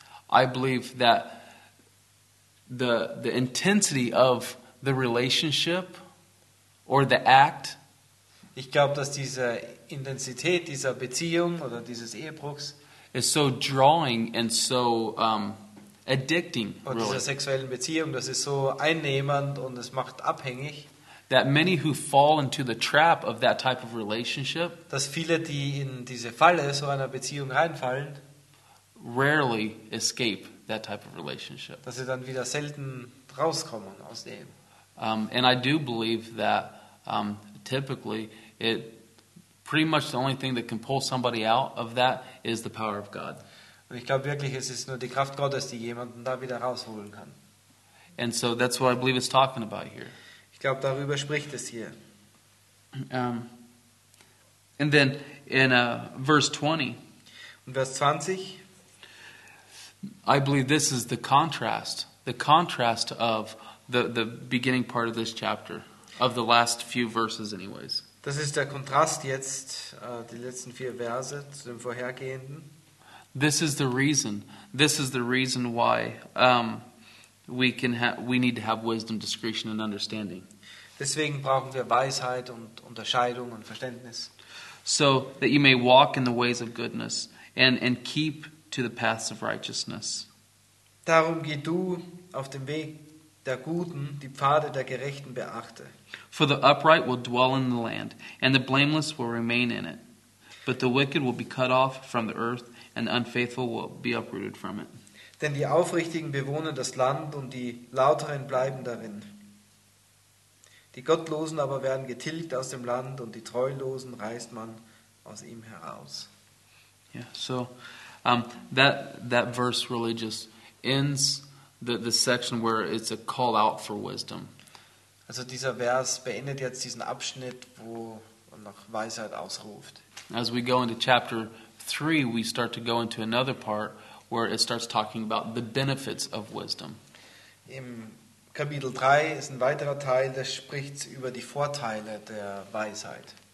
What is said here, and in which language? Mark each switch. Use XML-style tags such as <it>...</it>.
<en>I believe that the intensity of the relationship or the act.</en> <de>Ich glaube, dass diese Intensität dieser Beziehung oder dieses Ehebruchs</de> <en>is so drawing and so addicting.</en> <de>Und really, diese sexuellen Beziehung, das ist so einnehmend und es macht abhängig.</de> <en>That many who fall into the trap of that type of relationship,</en> <de>dass viele, die in diese Falle so einer Beziehung reinfallen,</de> <en>rarely escape that type of relationship.</en> <de>Dass sie dann wieder selten rauskommen aus dem.</de> <en>And I do believe that typically it pretty much the only thing that can pull somebody out of that is the power of God.</en> <de>Und ich glaube wirklich, es ist nur die Kraft Gottes, die jemanden da wieder rausholen kann.</de> <en>And so that's what I believe it's talking about here.</en> <de>Ich glaube, darüber spricht es hier.</de> <en>And then in verse 20.</en> <de>Und Vers 20.</de> <en>I believe this is the contrast of the beginning part of this chapter, of the last few verses anyways.</en> <de>Das ist der Kontrast jetzt, die letzten vier Verse zu dem vorhergehenden.</de> <en>This is the reason why we need to have wisdom, discretion and understanding.</en> <de>Deswegen brauchen wir Weisheit und Unterscheidung und Verständnis.</de> <en>So that you may walk in the ways of goodness and keep to the paths of righteousness.</en> <de>Darum geh du auf dem Weg der Guten, die Pfade der Gerechten beachte.</de> <en>For the upright will dwell in the land, and the blameless will remain in it. But the wicked will be cut off from the earth, and the unfaithful will be uprooted from it.</en> <de>Denn die Aufrichtigen bewohnen das Land, und die Lauteren bleiben darin. Die Gottlosen aber werden getilgt aus dem Land, und die Treulosen reißt man aus ihm heraus.</de> <en>Yeah, so that verse really just ends the section where it's a call out for wisdom.</en> <de>Also dieser Vers beendet jetzt diesen Abschnitt, wo man nach Weisheit ausruft.</de> <en>As we go into chapter 3, we start to go into another part where it starts talking about the benefits of wisdom.</en> <de>Im Kapitel 3 ist ein weiterer Teil, der spricht über die Vorteile der Weisheit.</de>